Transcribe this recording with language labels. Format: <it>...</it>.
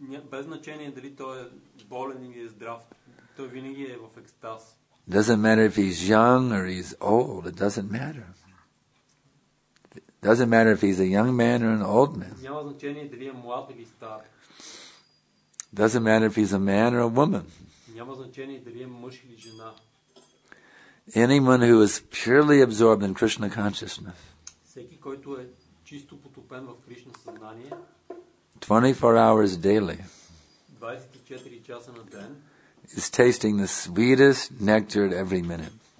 <bg>Без значение дали той е болен или е здрав, той винаги е в екстаз.</bg> <en>It doesn't matter if he's young or he's old, it doesn't matter. It doesn't matter if he's a young man or an old man.</en> <bg>Няма значение дали е млад или стар.</bg> <en>Doesn't matter if he's a man or a woman.</en> <bg>Няма значение дали е мъж или жена.</bg> <en>Anyone who is purely absorbed in Krishna consciousness.</en> <bg>Всеки, който е чисто потопен в Кришна съзнание.</bg> <en>24 hours daily.</en> <bg>24 часа на ден.</bg> <en>Is tasting the sweetest nectar at every minute.</en>